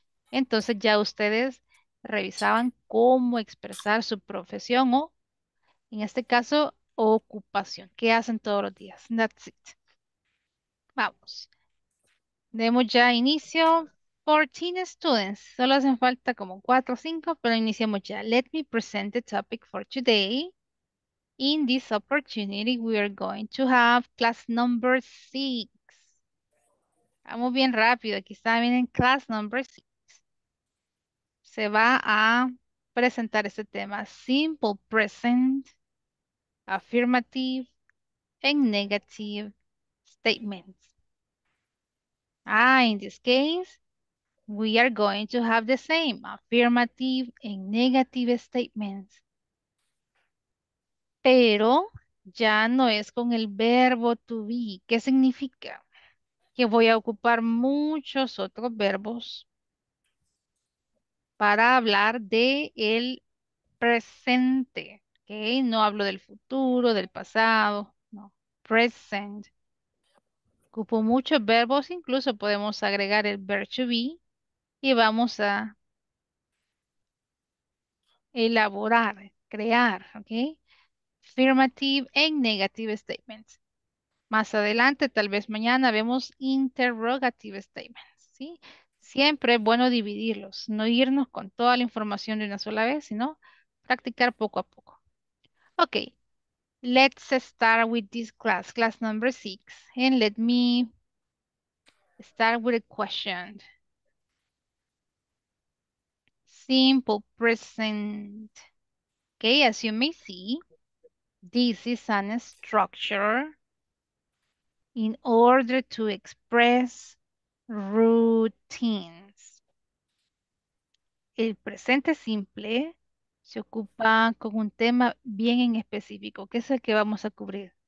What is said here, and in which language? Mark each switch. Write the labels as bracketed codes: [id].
[es] Entonces ya ustedes revisaban cómo expresar su profesión o, en este caso, ocupación. ¿Qué hacen todos los días? [en] That's it. [es] Vamos. Demos ya inicio. [en] 14 students. [es] Solo hacen falta como 4 o 5, pero iniciamos ya. [en] Let me present the topic for today. In this opportunity, we are going to have class number 6. [es] Vamos bien rápido. Aquí está, vienen [en] class number 6. [es] Se va a presentar este tema. [en] Simple present, affirmative and negative statements. In this case, we are going to have the same affirmative and negative statements. [es] Pero ya no es con el verbo to be. ¿Qué significa? Que voy a ocupar muchos otros verbos para hablar de el presente. Okay, no hablo del futuro, del pasado, no, present. Ocupo muchos verbos, incluso podemos agregar el verb to be y vamos a elaborar, crear, okay? [en] Affirmative and negative statements. [es] Más adelante, tal vez mañana, vemos interrogative statements, ¿sí? Siempre es bueno dividirlos, no irnos con toda la información de una sola vez, sino practicar poco a poco. [en] Okay, let's start with this class, class number 6, and let me start with a question. Simple present. Okay, as you may see, this is a structure in order to express routines. [es] El presente simple se ocupa con un tema bien en específico, que es el que vamos a cubrir.